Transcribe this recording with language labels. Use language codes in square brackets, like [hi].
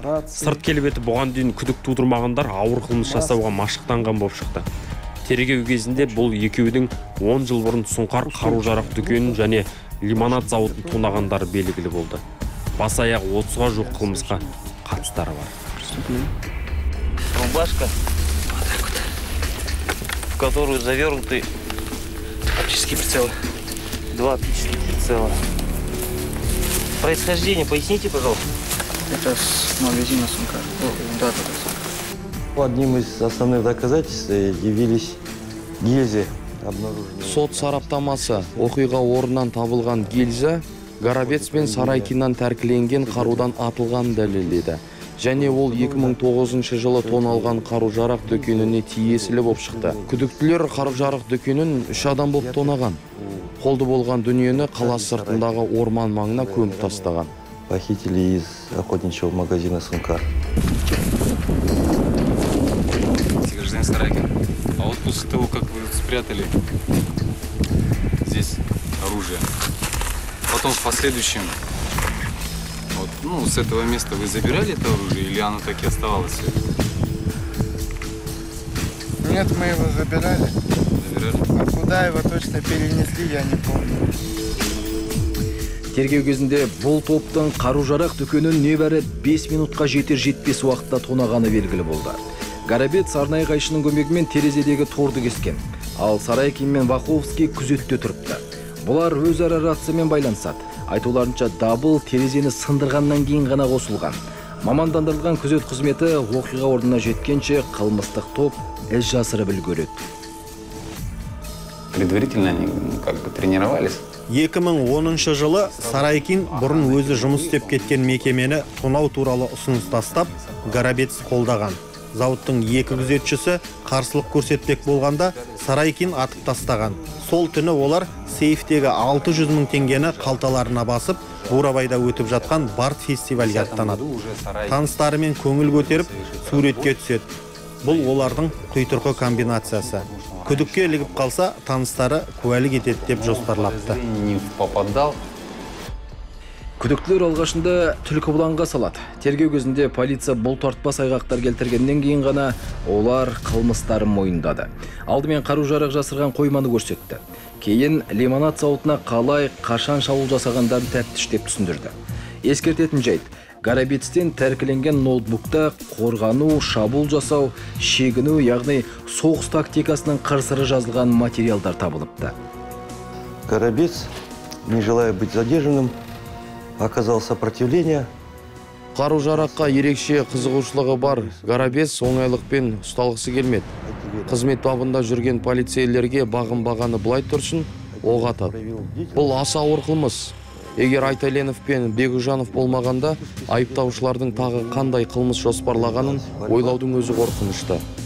[kk] Сырт келбеті бұған дейін күдік тудырмағандар ауыр қылмыс жасауға машықтанған болып шықты. Тергеу кезінде бұл екеудің 10 жыл бұрын сұңқар қару-жарақ дүкенін және лимонад зауытын тонағандар белгілі болды. Бас аяқ 30-ға жуық қылмысқа қатыстары бар. [ru] Рубашка, в которую завернуты оптические прицелы, два оптических прицела. Происхождение поясните, пожалуйста. Это с магазина Сумка. Одним из основных доказательств явились гильзы, обнаружены. [kk] Сот сараптамасы, оқиға орнынан табылған гильзы, Горобец пен Сарайкиннан тәркіленген қарудан атылған дәлелдеді. Және ол 2009 жылы тоналған қару-жарақ дүкеніне тиесілі боп шықты. Күдіктілер қару-жарақ дүкенін 3 адам болып тонаған. Қолды болған дүниені қала сыртындағы орман маңына көміп тастаған. [ru] Похитили из охотничьего магазина Сумка. Гражданин Сарайкин, а вот после того, как вы спрятали здесь оружие, потом в последующем, вот, ну, с этого места вы забирали это оружие или оно так и оставалось? Нет, мы его забирали. Забирали? А куда его точно перенесли, я не помню. [kk] Тергеу кезінде бұл топтың қару-жарақ дүкенін небәрі 5 минутқа жетер-жетпес уақытта тонағаны белгілі болды. Горобец арнайы қайшының көмегімен терезедегі торды кескен, ал Сарайкин мен Ваховский күзетте тұрыпты. Бұлар өзара рациямен байланысады. Айтуларынша дабыл терезені сындырғаннан кейін ғана қосылған. Мамандандырылған күзет қызметі оқиға орнына жеткенше қылмыстық топ із жасырып үлгереді. [ru] Предварительно они как бы тренировались. [kk] 2010 жылы Сарайкин бұрын өзі жұмыс істеп кеткен мекемені тонау туралы ұсыныс тастап, Горобец қолдаған. Зауыттың екі күзетшісі қарсылық көрсетпек болғанда Сарайкин атып тастаған. Сол түні олар сейфтегі 600 мың теңгені қалталарына басып, Бурабайда өтіп жатқан Барт фестивальге аттанады. Таныстарымен көңіл көтеріп, суретке түседі. Бұл олардың құйтырқы комбинациясы. Күдікке ілігіп қалса, таныстары куәлік етеді деп жоспарлапты. Күдіктілер алғашында түлкі бұланға салады. Тергеу кезінде полиция бұл тартпа айғақтар келтіргеннен кейін ғана олар қылмыстарын мойындады. Алдымен қару-жарақ жасырған қойманы көрсетті. Кейін лимонад зауытына қалай қашан шабуыл жасағандарын тәптіштеп түсіндірді. Ескертетін жайт, Горобецтен тәркіленген ноутбукта қорғану, шабуыл жасау, шегіну, яғни соғыс тактикасының қырсыры жазылған материалдар табылыпты. [ru] Горобец, не желая быть задержанным, оказал сопротивление. [kk] Қару-жараққа ерекше қызығушылығы бар Горобец оңайлықпен ұсталғысы келмеді. Қызмет бабында жүрген полицейлерге бағынбағаны былай тұрсын, оқ атады. Бұл аса ауыр қылмыс. Егер Айталенов пен Бегужанов болмағанда, айыптаушылардың тағы қандай қылмыс жоспарлағанын ойлаудың өзі қорқынышты.